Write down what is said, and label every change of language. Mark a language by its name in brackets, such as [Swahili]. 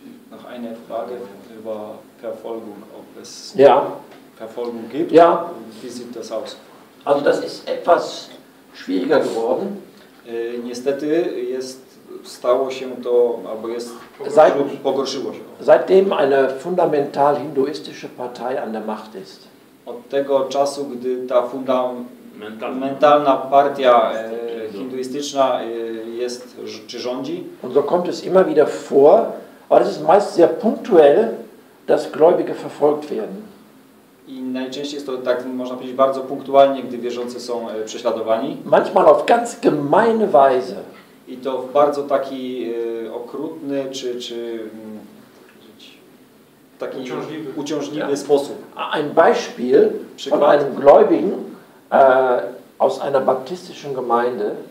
[German] Noch eine Frage über Verfolgung, ob es ja. Verfolgung gibt. Ja. Wie sieht das aus? Also das ist etwas schwieriger geworden. [Polish] Niestety stało się to, albo pogorszyło się. [German] Seitdem eine fundamental hinduistische Partei an der Macht ist. [Polish] Od tego czasu, gdy ta fundamentalna partia hinduistyczna jest czy rządzi. [German] Und so kommt es immer wieder vor, aber es ist meist sehr punktuell, dass Gläubige verfolgt werden. [Polish] I najczęściej jest to tak, można powiedzieć, bardzo punktualnie, gdy wierzący są prześladowani. [German] Manchmal auf ganz gemeine Weise. [Polish] I to w bardzo taki okrutny, czy taki uciążliwy sposób. [German] Ein Beispiel von einem Gläubigen aus einer baptistischen Gemeinde.